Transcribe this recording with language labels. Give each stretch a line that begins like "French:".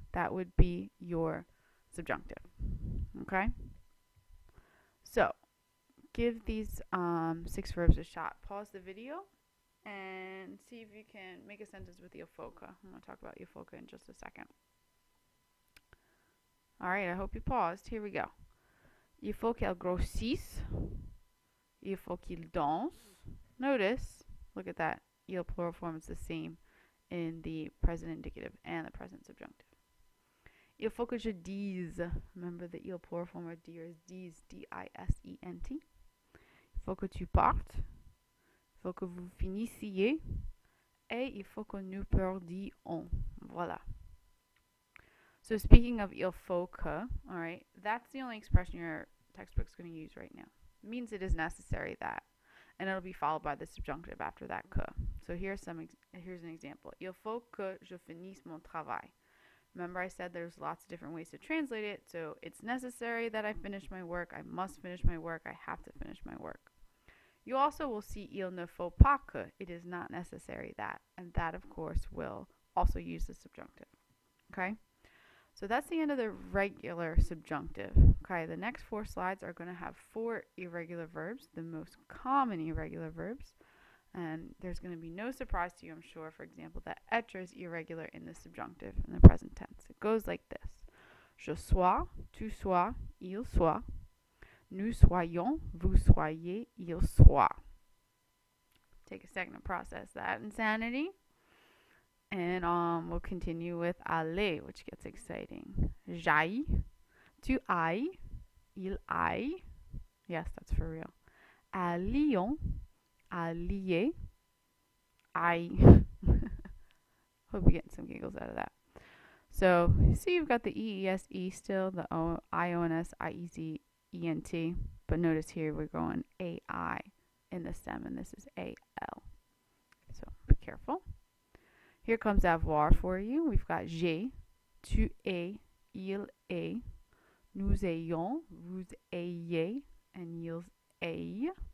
English: That would be your subjunctive. Okay? So, give these six verbs a shot. Pause the video and see if you can make a sentence with il faut que. I'm going to talk about il faut que in just a second. All right, I hope you paused. Here we go.
French: Il faut qu'elle grossisse. Il faut qu'il danse.
English: Notice, look at that. Il plural form is the same in the present indicative and the present subjunctive.
French: Il faut que je dise.
English: Remember the il plural form of dire is dise, D-I-S-E-N-T.
French: Il faut que tu partes. Il faut que vous finissiez. Et il faut que nous perdions. Voilà.
English: So speaking of il faut que, all right, that's the only expression your textbook's going to use right now. It means it is necessary that. And it'll be followed by the subjunctive after that que. So here's an example.
French: Il faut que je finisse mon travail.
English: Remember, I said there's lots of different ways to translate it. So it's necessary that I finish my work. I must finish my work. I have to finish my work. You also will see
French: il ne faut pas que.
English: It is not necessary that. And that, of course, will also use the subjunctive. Okay? So that's the end of the regular subjunctive. Okay, the next four slides are going to have four irregular verbs, the most common irregular verbs. And there's going to be no surprise to you, I'm sure, for example, that être is irregular in the subjunctive in the present tense. It goes like this.
French: Je sois, tu sois, il soit. Nous soyons, vous soyez, il soit.
English: Take a second to process that insanity. And we'll continue with aller, which gets exciting.
French: J'aille, tu ailles, il aille.
English: Yes, that's for real.
French: Allions, allier, aille.
English: Hope you're getting some giggles out of that. So, see, you've got the E-E-S-E still, the I-O-N-S-I-E-Z-E-N-T. But notice here, we're going A-I in the stem, and this is A-L. So, be careful. Here comes avoir for you. We've got
French: j'ai, tu es, il est, nous ayons, vous ayez, and ils aient.